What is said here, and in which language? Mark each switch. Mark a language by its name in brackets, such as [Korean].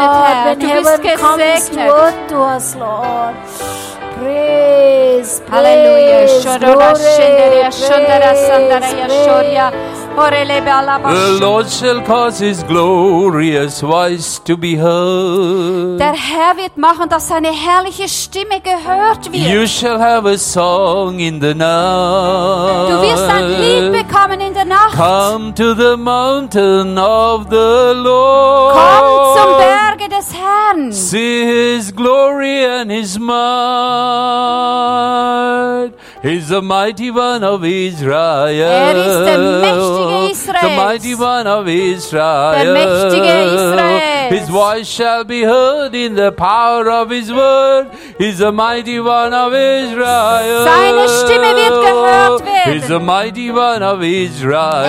[German] Herr. Du bist gesegnet. [English] Comes to earth to us, Lord. Praise, Hallelujah. The Lord shall cause His glorious voice to be heard. [German] Der Herr wird machen, dass seine herrliche Stimme gehört wird. [English] You shall have a song in the night. [German] Du wirst ein Lied bekommen in der Nacht. [English] Come to the mountain of the Lord. [German] Komm zum Berge des Herrn. [English] See His glory and His might. He's the mighty one of Israel. [German] Er ist der mächtige Israel. [English] The mighty one of Israel. [German] Der mächtige Israel. [English] His voice shall be heard in the power of his word. He's the mighty one of Israel. [German] Seine Stimme wird gehört werden. [English] He's the mighty one of Israel.